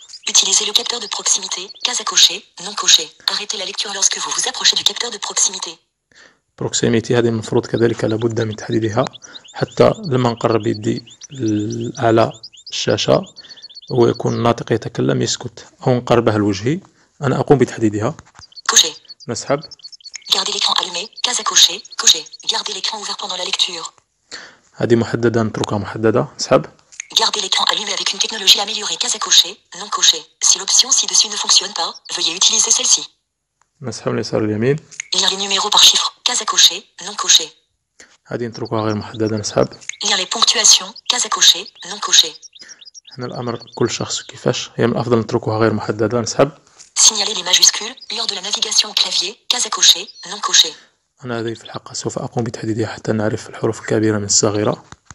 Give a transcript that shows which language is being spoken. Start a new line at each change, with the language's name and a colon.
French: Utilisez le capteur de proximité, case à cocher, non coché. Arrêtez la lecture lorsque vous vous approchez du capteur de proximité.
Arabic: Proximity, هذه المفروض كذلك لابد من تحديدها حتى لما نقرب يدي على الشاشة ويكون الناطق يتكلم يسكت أو نقربه لوجهي أنا أقوم بتحديدها.
French: Coché.
Arabic: نسحب.
French: Gardez l'écran allumé, case à cocher, coché. Gardez l'écran ouvert pendant la lecture.
Arabic: هذه محددة نتركها محددة. نسحب.
French: Gardez l'écran allumé avec une technologie améliorée, case à cocher, non coché. Si l'option ci-dessus ne fonctionne pas, veuillez utiliser celle-ci.
Arabic: نسحب اليسار اليمين.
French: Lire les numéros par chiffre, case à cocher, non coché.
Arabic: هذه نتركها غير محددة. نسحب.
French: Lire les ponctuations, case à cocher, non coché.
Arabic: هنا الأمر كل شخص كيفاش، هي من الأفضل نتركها غير محددة. نسحب.
French: Signaler les majuscules lors de la navigation au clavier, case à cocher, non coché.
Arabic: أنا هذه في الحق سوف أقوم بتحديدها حتى نعرف الحروف الكبيرة من الصغيرة.